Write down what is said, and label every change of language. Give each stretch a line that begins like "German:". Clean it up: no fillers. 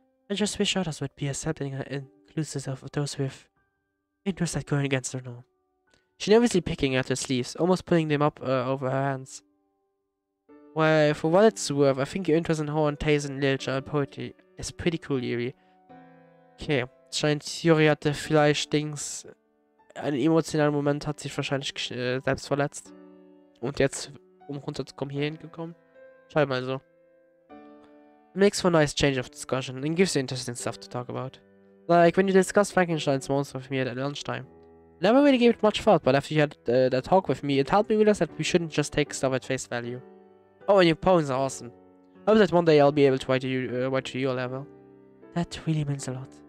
English: I just wish others would be accepting and inclusive of those with interests that go against their norm. She nervously picking at her sleeves, almost pulling them up over her hands. Well, for what it's worth, I think your interest in horror and taste and literature and poetry is pretty cool, Yuri.
German: Okay, scheint Yuri hatte vielleicht Dings. Einen emotionalen Moment hat sich wahrscheinlich selbst verletzt. Und jetzt, um runterzukommen, hier hingekommen. Schau mal so.
English: Makes for a nice change of discussion and gives you interesting stuff to talk about. Like when you discussed Frankenstein's monster with me at lunchtime. Never really gave it much thought, but after you had that talk with me, it helped me realize that we shouldn't just take stuff at face value. Oh, and your poems are awesome. Hope that one day I'll be able to write to your level. That really means a lot.